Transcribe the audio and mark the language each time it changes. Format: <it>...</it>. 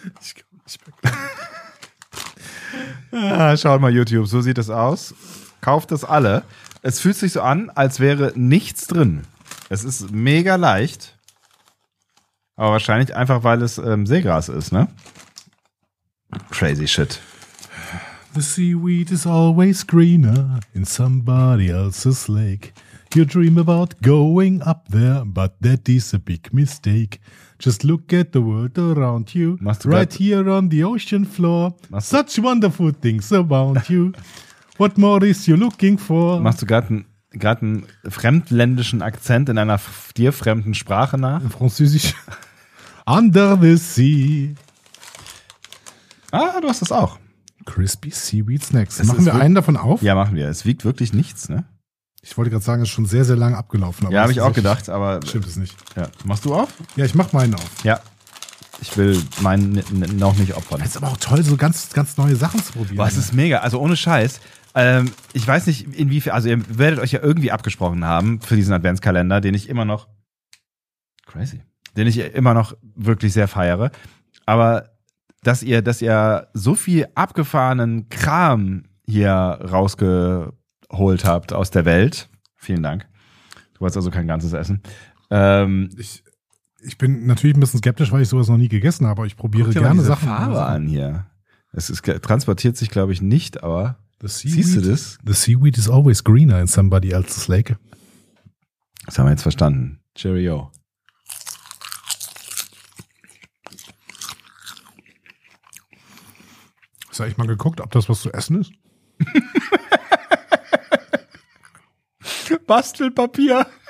<de>Ich komme nicht mehr klar. Schaut mal YouTube, so sieht es aus. Kauft das alle. Es fühlt sich so an, als wäre nichts drin. Es ist mega leicht. Aber wahrscheinlich einfach, weil es Seegras ist, ne?</de> <en>Crazy shit. The seaweed is always greener in somebody else's lake. You dream about going up there, but that is a big mistake. Just look at the world around you. Right here on the ocean floor. Such wonderful things around you. What more is you looking for?</en> <de>Machst du gerade einen fremdländischen Akzent in einer dir fremden Sprache nach? In Französisch.</de> <en>Under the sea.</en> <de>Ah, du hast das auch.</de> <en>Crispy Seaweed Snacks.</en> <de>Machen wir einen davon auf? Ja, machen wir. Es wiegt wirklich nichts, ne? Ich wollte gerade sagen, es ist schon sehr, sehr lang abgelaufen. Aber ja, habe ich auch gedacht, aber... Stimmt es nicht. Ja. Machst du auf? Ja, ich mache meinen auf. Ja, ich will meinen noch nicht opfern. Das ist aber auch toll, so ganz, ganz neue Sachen zu probieren. Boah, es ist mega. Also ohne Scheiß. Ich weiß nicht, inwiefern... Also ihr werdet euch ja irgendwie abgesprochen haben für diesen Adventskalender, den ich immer noch... Crazy. Den ich immer noch wirklich sehr feiere. Aber dass ihr so viel abgefahrenen Kram hier rausgeholt habt aus der Welt. Vielen Dank. Du wolltest also kein ganzes Essen. Ich bin natürlich ein bisschen skeptisch, weil ich sowas noch nie gegessen habe, aber ich probiere gerne Sachen. Guck dir mal diese Farbe an hier. Es ist, transportiert sich, glaube ich, nicht, aber siehst du das?</de> <en>The seaweed is always greener in somebody else's lake.</en> <de>Das haben wir jetzt verstanden.</de> <en>Cheerio.</en> <de>Sag ich mal geguckt, ob das was zu essen ist. Bastelpapier.</de>